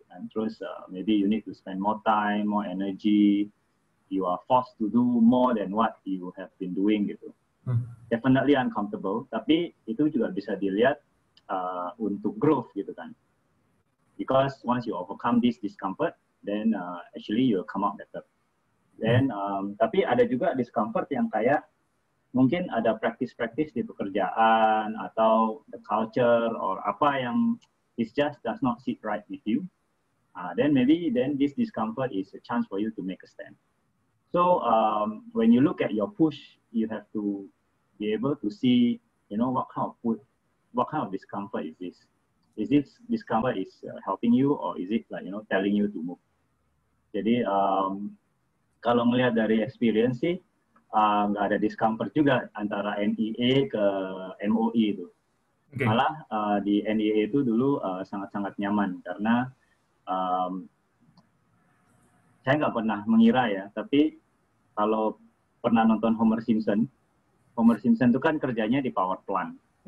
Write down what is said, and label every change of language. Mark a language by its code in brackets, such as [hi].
[en] And terus maybe you need to spend more time, more energy, you are forced to do more than what you have been doing gitu. Definitely uncomfortable, [id] tapi itu juga bisa dilihat untuk growth gitu kan. [en] Because once you overcome this discomfort, then actually you'll come out better. [id] Then tapi ada juga discomfort yang kayak mungkin ada praktis-praktis di pekerjaan atau [en] the culture or [id] apa yang [en] is just does not sit right with you. Then this discomfort is a chance for you to make a stand. So when you look at your push, you have to be able to see, you know, what kind of discomfort is this? Is this discomfort is helping you, or is it like, you know, telling you to move? [id] Jadi kalau melihat dari experience sih, nggak ada discomfort juga antara NEA ke MOE itu. Okay. Malah di NEA itu dulu sangat-sangat nyaman, karena saya nggak pernah mengira ya, tapi kalau pernah nonton Homer Simpson itu kan kerjanya di power plant.